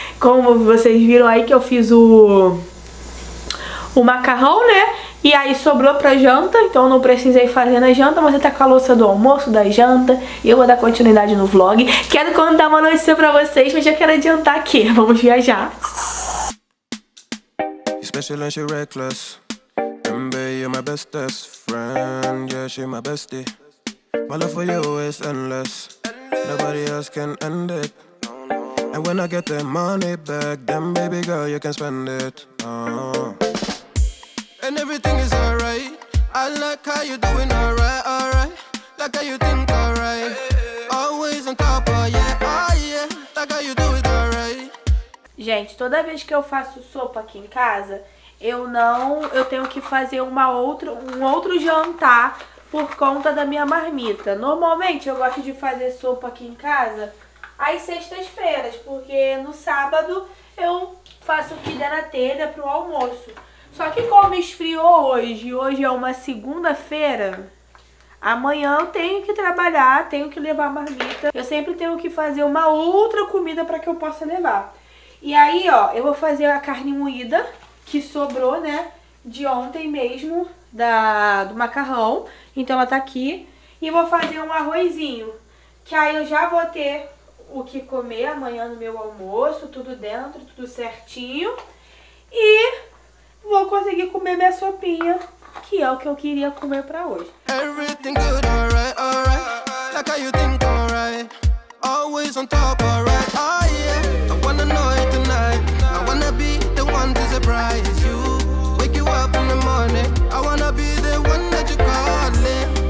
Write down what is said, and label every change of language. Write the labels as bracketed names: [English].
[Portuguese] Como vocês viram aí que eu fiz o macarrão, né? E aí sobrou pra janta, então eu não precisei fazer na janta, mas você tá com a louça do almoço, da janta, e eu vou dar continuidade no vlog. Quero contar uma notícia pra vocês, mas já quero adiantar aqui. Vamos viajar. [English] Special and she reckless. MB, you're my bestest friend. Yeah, she my bestie. My love for you is endless. Nobody else can end it. And when I get the money back, then baby girl, you can spend it. And everything is alright. I like how you're doing alright, alright. Like how you think alright. Always on top of yeah, oh yeah. Like how you do it alright. [Portuguese] Gente, toda vez que eu faço sopa aqui em casa, eu tenho que fazer um outro jantar por conta da minha marmita. Normalmente eu gosto de fazer sopa aqui em casa às sextas-feiras, porque no sábado eu faço o que der na telha pro almoço. Só que como esfriou hoje, hoje é uma segunda-feira, amanhã eu tenho que trabalhar, tenho que levar a marmita. Eu sempre tenho que fazer uma outra comida para que eu possa levar. E aí, ó, eu vou fazer a carne moída, que sobrou, né, de ontem mesmo, do macarrão. Então ela tá aqui. E vou fazer um arrozinho, que aí eu já vou ter o que comer amanhã no meu almoço, tudo dentro, tudo certinho. E... vou conseguir comer minha sopinha, que é o que eu queria comer pra hoje. [English] Everything good, alright, alright. Like how you think, alright. Always on top, alright. Oh yeah, I wanna know it tonight. I wanna be the one to surprise you. Wake you up in the morning. I wanna be the one that you call in.